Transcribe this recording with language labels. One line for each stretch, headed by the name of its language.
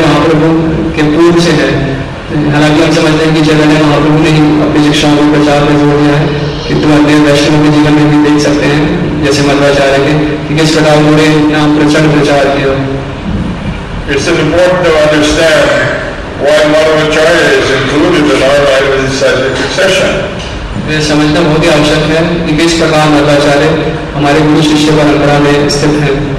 Hindi: हालांकि हम समझते हैं कि चैतन्य महाप्रभु ने ही अपनी शिक्षाओं को प्रचार में जोड़ दिया है कि तुम अपने वैष्णव के जीवन में भी देख सकते हैं जैसे मध्वाचार्य के कि किस प्रकार उन्होंने यहाँ प्रचंड प्रचार किया।
English: It's important to understand why Madhvacharya is included in our life as a succession.
Hindi: यह समझना बहुत ही आवश्यक है कि किस प्रकार मध्वाचार्य हमारे गुरु शिष्य परंपरा में स्थित है।